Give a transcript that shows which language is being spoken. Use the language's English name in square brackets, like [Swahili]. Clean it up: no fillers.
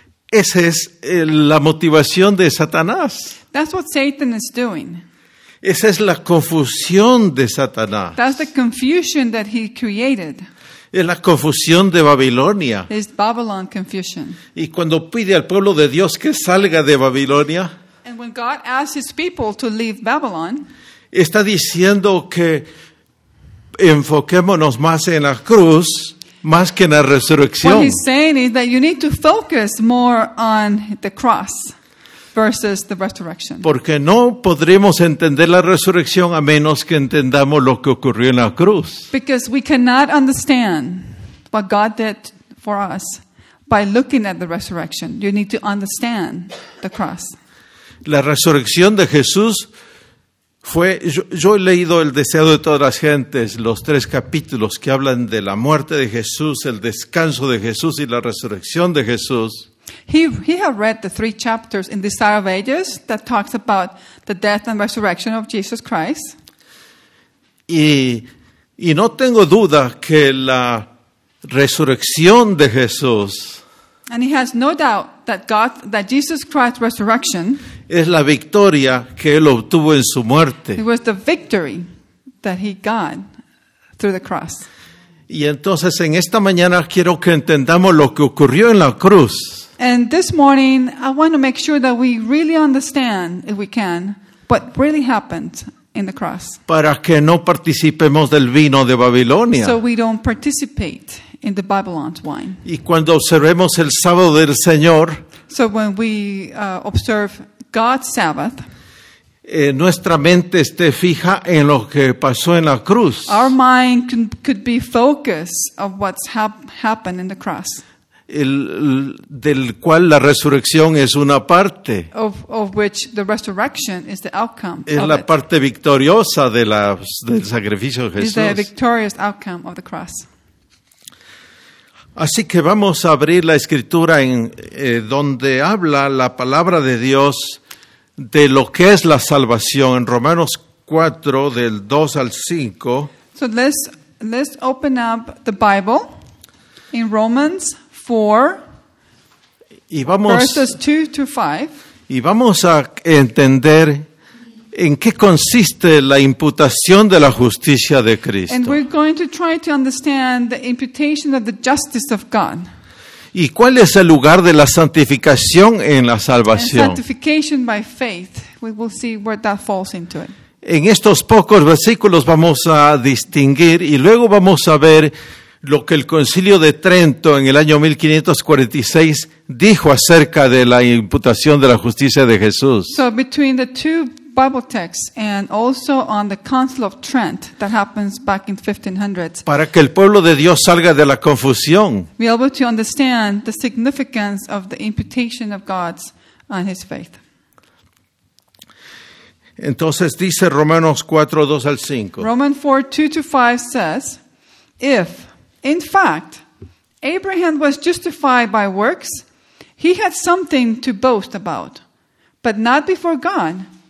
[Spanish] Esa es la motivación de Satanás. [English] That's what Satan is doing. [Spanish] Esa es la confusión de Satanás. [English] That's the confusion that he created. [Spanish] Es la confusión de Babilonia. [English] It's Babylon confusion. [Spanish] Y cuando pide al pueblo de Dios que salga de Babilonia. [English] And when God asks his people to leave Babylon. [Spanish] Está diciendo que enfoquémonos más en la cruz, más que en la resurrección. [English] What he's saying is that you need to focus more on the cross versus the resurrection. [Spanish] Porque no podremos entender la resurrección a menos que entendamos lo que ocurrió en la cruz. [English] Because we cannot understand what God did for us by looking at the resurrection. You need to understand the cross. [Spanish] La resurrección de Jesús Fue, yo he leído El deseo de todas las gentes, los tres capítulos que hablan de la muerte de Jesús, el descanso de Jesús y la resurrección de Jesús. [English] He have read the three chapters in the Desire of Ages that talks about the death and resurrection of Jesus Christ. [Spanish] Y no tengo duda que la resurrección de Jesús, [English] and he has no doubt that God, that Jesus Christ's resurrection, [Spanish] es la victoria que él obtuvo en su muerte. [English] It was the victory that he got through the cross. [Spanish] Y entonces en esta mañana quiero que entendamos lo que ocurrió en la cruz. [English] And this morning I want to make sure that we really understand, if we can, what really happened in the cross. [Spanish] Para que no participemos del vino de Babilonia. [English] So we don't participate in the Babylon's wine. [Spanish] Y cuando observemos el sábado del Señor, [English] so when we observe God's Sabbath, [Spanish] nuestra mente esté fija en lo que pasó en la cruz. [English] Our mind could be focused of what's happened in the cross. [Spanish] Del cual la resurrección es una parte. [English] Of which the resurrection is the outcome. [Spanish] Es la parte victoriosa del sacrificio de Jesús. [English] Is the victorious outcome of the cross. [Spanish] Así que vamos a abrir la escritura en donde habla la palabra de Dios de lo que es la salvación en Romanos 4 del 2 al 5. [English] So let's open up the Bible in Romans 4, [Spanish] y vamos, [English] verses 2 to 5. [Spanish] Y vamos a entender en qué consiste la imputación de la justicia de Cristo. [English] And we're going to try to understand the imputation of the justice of God. [Spanish] ¿Y cuál es el lugar de la santificación en la salvación? [English] And sanctification by faith. We will see where that falls into it. [Spanish] En estos pocos versículos vamos a distinguir y luego vamos a ver lo que el Concilio de Trento en el año 1546 dijo acerca de la imputación de la justicia de Jesús. [English] So between the two Bible texts and also on the Council of Trent that happens back in 1500s. [Spanish] Para que el pueblo de Dios salga de la confusión. [English] Be able to understand the significance of the imputation of God's on his faith. [Spanish] Entonces dice Romanos 4, 2 al 5. [English] Romans 4, 2 to 5 says, if, in fact, Abraham was justified by works, he had something to boast about, but not before God.